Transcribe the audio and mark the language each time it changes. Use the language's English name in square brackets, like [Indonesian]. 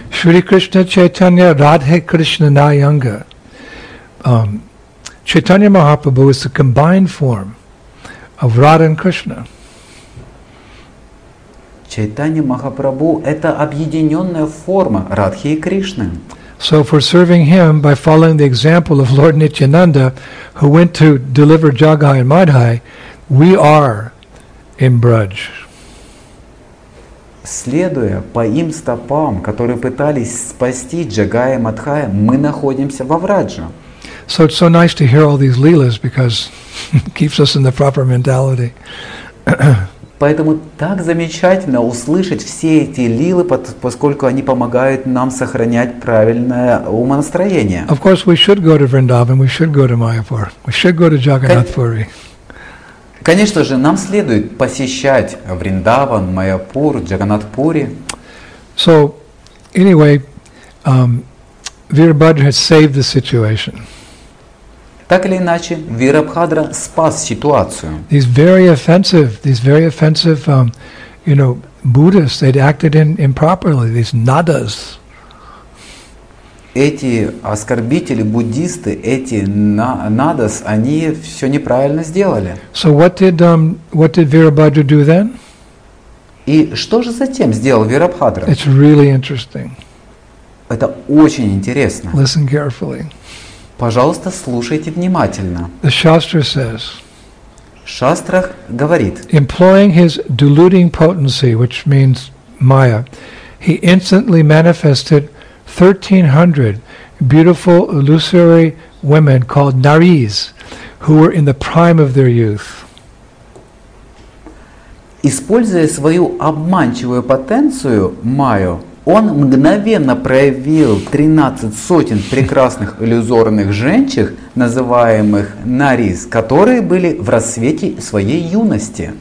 [Russian] Шри Кришна Чайтанья Радхе Кришна Найанга. [English] Чайтанья Махапрабху is the combined form of Radha and Krishna. [Russian] Чайтанья Махапрабху – это объединенная форма Радхи и Кришны. [English] So for serving him by following the example of Lord Nityananda, who went to deliver Jagai and Madhai, we are in Braj. [Russian] Следуя по им стопам, которые пытались спасти Джагая и Мадхая, мы находимся во Врадже. [English] So it's so nice to hear all these leelas because it keeps us in the proper mentality. [Russian] Поэтому так замечательно услышать все эти лилы, поскольку они помогают нам сохранять правильное умонастроение. [English] Of course, we should go to Vrindavan, we should go to Mayapur, we should go to Jagannathpuri. [Russian] Конечно же, нам следует посещать Вриндаван, Майяпур, Джаганатхпури. [English] So, anyway, Virabhadra has saved the situation. [Russian] Так или иначе, Вирабхадра спас ситуацию. [English] These very offensive, you know, Buddhists, they'd acted improperly, these nadas. [Russian] Эти оскорбители, буддисты, эти надас, они все неправильно сделали. [English] So what did Virabhadra do then? [Russian] И что же затем сделал Вирабхадра? [English] It's really interesting. [Russian] Это очень интересно. [English] Listen carefully. [Russian] Пожалуйста, слушайте внимательно. [English] The Shastra says, [Russian] Shastra говорит, [English] employing his deluding potency, which means Maya, he instantly manifested 1300 beautiful illusory women called Naris, who were in the prime of their youth. [Russian] Используя свою обманчивую потенцию Майю, он мгновенно проявил 13 сотен прекрасных иллюзорных женщин, называемых Нарис, которые были в расцвете своей юности.